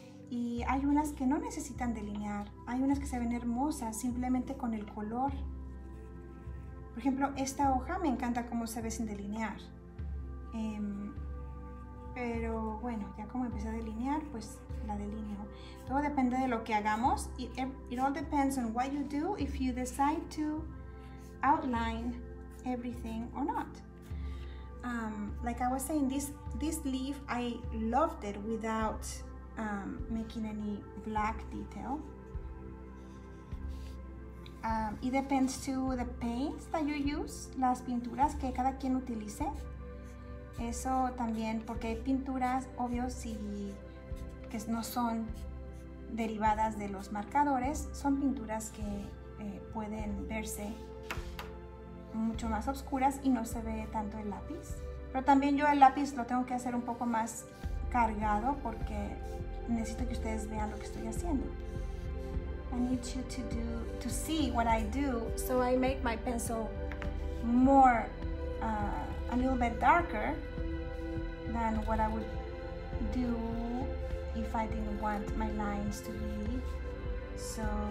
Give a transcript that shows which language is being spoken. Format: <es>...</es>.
<es>Y hay unas que no necesitan delinear, hay unas que se ven hermosas simplemente con el color. Por ejemplo, esta hoja me encanta cómo se ve sin delinear. Pero bueno, ya como empecé a delinear, pues la delineo. Todo depende de lo que hagamos.</es> <en>It all depends on what you do, if you decide to outline everything or not. Like I was saying, this leaf, I loved it without... making any black detail. It depends to the paints that you use,</en> <es>las pinturas que cada quien utilice. Eso también, porque hay pinturas, obvio, si que no son derivadas de los marcadores, son pinturas que pueden verse mucho más oscuras y no se ve tanto el lápiz. Pero también yo el lápiz lo tengo que hacer un poco más cargado porque necesito que ustedes vean lo que estoy haciendo.</es> <en>I need you to see what I do, so I make my pencil more a little bit darker than what I would do if I didn't want my lines to be so</en>